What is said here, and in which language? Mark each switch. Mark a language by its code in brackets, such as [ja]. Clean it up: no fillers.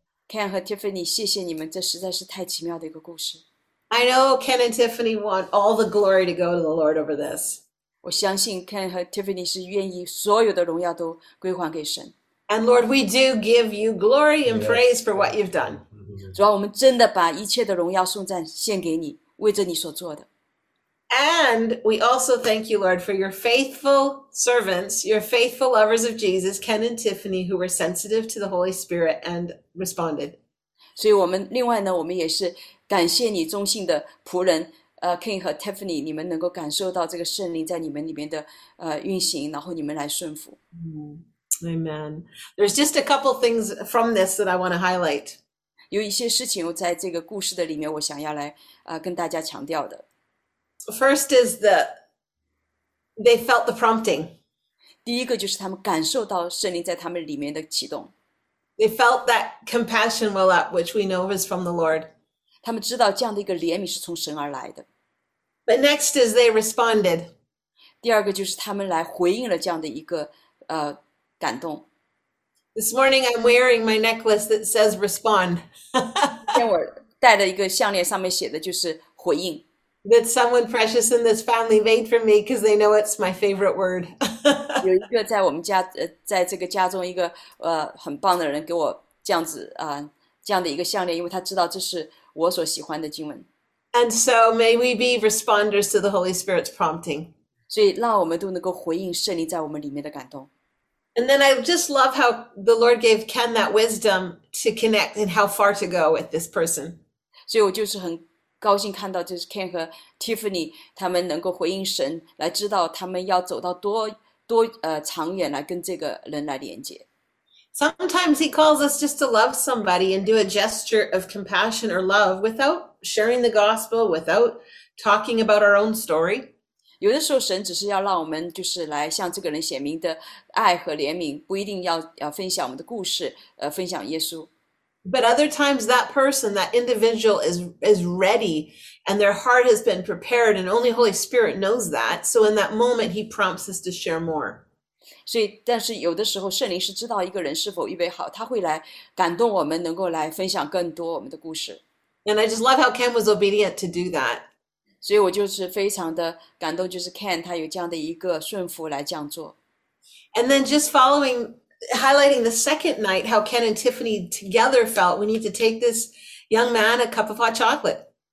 [zh] Ken 和 Tiffany, 谢谢你们，这实在是太奇妙的一个故事。 [en] I know Ken and Tiffany want all the glory to go to the Lord over this. [zh] 我相信 Ken 和 Tiffany 是愿意所有的荣耀都归还给神。 [en] And Lord, we do give you glory and praise for what you've done. [zh] 主啊，我们真的把一切的荣耀颂赞献给你，为着你所做的。 [en] And we also thank you, Lord, for your faithful servants, your faithful lovers of Jesus, Ken and Tiffany, who were sensitive to the Holy Spirit and responded. [zh] 所以我们另外呢，我们也是感谢你忠信的仆人，Ken 和 Tiffany， 你们能够感受到这个圣灵在你们里面的运行，然后你们来顺服。 [en] Amen. There's just a couple things from this that I want to highlight. [zh] 有一些事情在这个故事的里面，我想要来跟大家强调的。 [en] First is that they felt the prompting. [zh] 第一个就是他们感受到圣灵在他们里面的启动。 [en] They felt that compassion well up, which we know is from the Lord. [zh] 他们知道这样的一个怜悯是从神而来的。 [en] But next is they responded. [zh] 第二个就是他们来回应了这样的一个感动。 [en] This morning I'm wearing my necklace that says respond. [zh] 今天我戴的一个项链上面写的就是回应。 [en] That someone precious in this family made for me because they know it's my favorite word. [zh] 有一个在我们家在这个家中一个很棒的人给我这样子这样的一个项链，因为他知道这是我所喜欢的经文。 [en] And so may we be responders to the Holy Spirit's prompting. [zh] 所以让我们都能够回应圣灵在我们里面的感动。 [en] And then I just love how the Lord gave Ken that wisdom to connect and how far to go with this person. [zh] 所以我就是很高兴看到就是 Ken 和 Tiffany 他们能够回应神，来知道他们要走到多长远来跟这个人来连接。 [en] Sometimes he calls us just to love somebody and do a gesture of compassion or love without sharing the gospel, without talking about our own story. [zh] 有的时候神只是要让我们就是来向这个人显明的爱和怜悯，不一定要分享我们的故事，分享耶稣。 [en] But other times that person, that individual is ready and their heart has been prepared and only Holy Spirit knows that. So in that moment, he prompts us to share more. [zh] 所以，但是有的时候圣灵是知道一个人是否预备好，他会来感动我们，能够来分享更多我们的故事。 [en] And I just love how Ken was obedient to do that. [zh] 所以我就是非常的感动，就是Ken他有这样的一个顺服来这样做。 [en] And then just following, highlighting the second night, how Ken and Tiffany together felt, we need to take this young man a cup of hot chocolate.